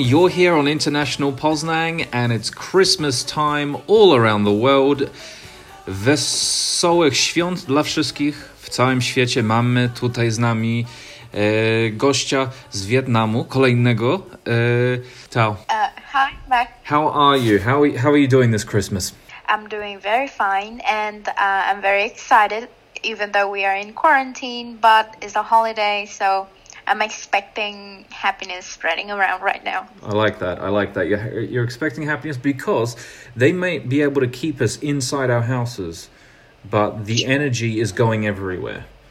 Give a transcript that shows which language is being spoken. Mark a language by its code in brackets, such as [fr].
[en] You're here on International Poznan and it's Christmas time all around the world. [pl] Wesołych Świąt dla wszystkich. W całym świecie mamy tutaj z nami gościa z Wietnamu, kolejnego. [en] Tao. Hi, Max. How are you? How are you doing this Christmas? I'm doing very fine and I'm very excited, even though we are in quarantine, but it's a holiday, so I'm expecting happiness spreading around right now. I like that. You're expecting happiness because they may be able to keep us inside our houses, but the energy is going everywhere.